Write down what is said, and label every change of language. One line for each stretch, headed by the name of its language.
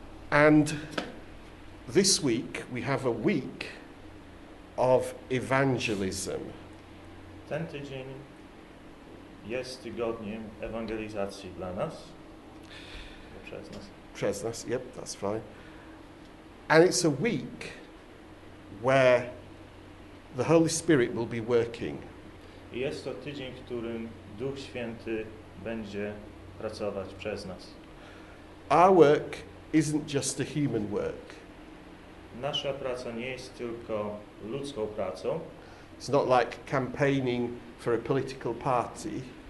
English: And this week we have a week of evangelism.
Polish: Ten tydzień jest tygodniem ewangelizacji dla nas. Przez nas. Przez nas,
English: yep, that's fine. And it's a week where the Holy Spirit will be working.
Polish: I jest to tydzień, w którym Duch Święty będzie pracować przez nas.
English: Our work isn't just a human work.
Polish: Nasza praca nie jest tylko ludzką pracą.
English: It's not like campaigning for a political party.